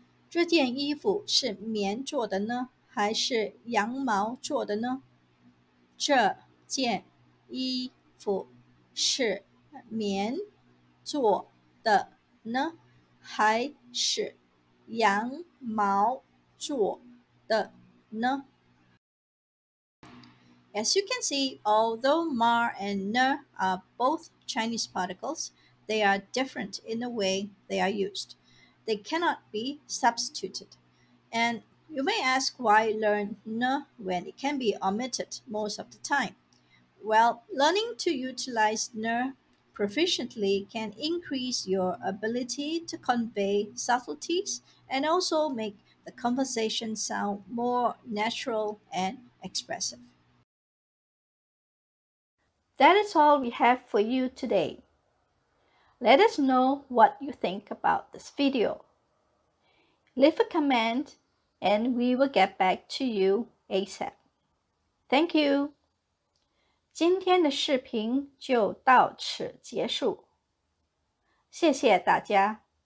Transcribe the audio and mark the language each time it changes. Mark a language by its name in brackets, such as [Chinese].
[Chinese] 这件衣服是棉做的呢，还是羊毛做的呢？这件衣服是棉做的呢，还是羊毛做的呢？ [English] As you can see, although ma and ne are both Chinese particles, they are different in the way they are used. They cannot be substituted. And you may ask why learn ne when it can be omitted most of the time. Well, learning to utilize ne proficiently can increase your ability to convey subtleties and also make the conversation sound more natural and expressive. That is all we have for you today. Let us know what you think about this video. Leave a comment and we will get back to you ASAP. Thank you. [Chinese] 今天的视频就到此结束。谢谢大家。